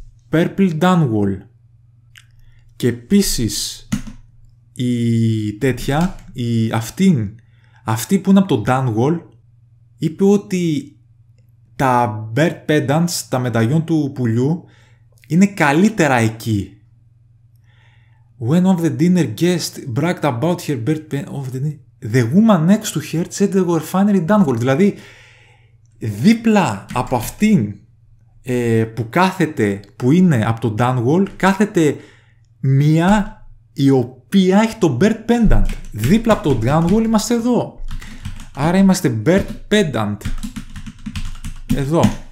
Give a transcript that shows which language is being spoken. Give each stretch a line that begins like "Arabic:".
Greek: Purple Dunwall. Και επίσης η τέτοια, η αυτήν, αυτή που είναι από το Dunwall, είπε ότι τα Bird Pendants, τα μεταγιόν του πουλιού, είναι καλύτερα εκεί.
English: When one of the dinner guests bragged about her bird pendants, the woman next to her said they were finally Dunwall.
Greek: Δηλαδή, δίπλα από αυτήν που κάθεται, που είναι από το Dunwall, κάθεται μία η οποία έχει το Bird Pendant. Δίπλα από το Dunwall είμαστε εδώ. Άρα είμαστε Bird Pendant. Εδώ.